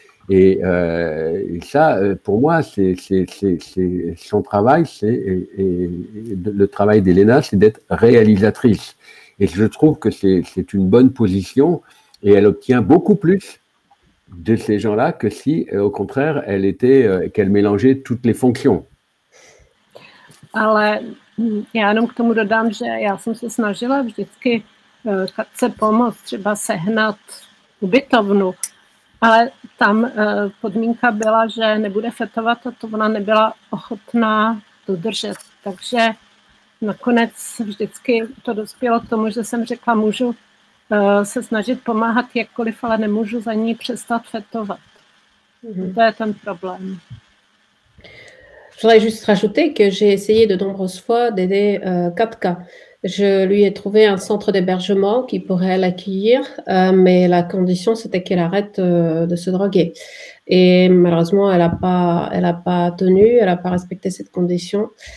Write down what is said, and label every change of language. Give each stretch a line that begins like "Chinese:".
French: Et ça, pour moi, c'est son travail, et le travail d'Elena, c'est d'être réalisatrice. Et je trouve que c'est une bonne position et elle obtient beaucoup plus de ces gens-là que si, au contraire, qu'elle mélangeait toutes les fonctions.
Czech: Ale já jenom k tomu dodám, že já jsem se snažila vždycky chce pomoct, třeba sehnat ubytovnu, ale tam podmínka byla, že nebude fetovat a to ona nebyla ochotná dodržet. Takže nakonec vždycky to dospělo k tomu, že jsem řekla, můžu se snažit pomáhat jakkoliv, ale nemůžu za ní přestat fetovat. Mm-hmm. To je ten problém.
French: Je voudrais juste rajouter que j'ai essayé de nombreuses fois d'aider Kapka. Je lui ai trouvé un centre d'hébergement qui pourrait l'accueillir, mais la condition, c'était qu'elle arrête de se droguer. Et malheureusement, elle a pas tenu, elle a pas respecté cette condition.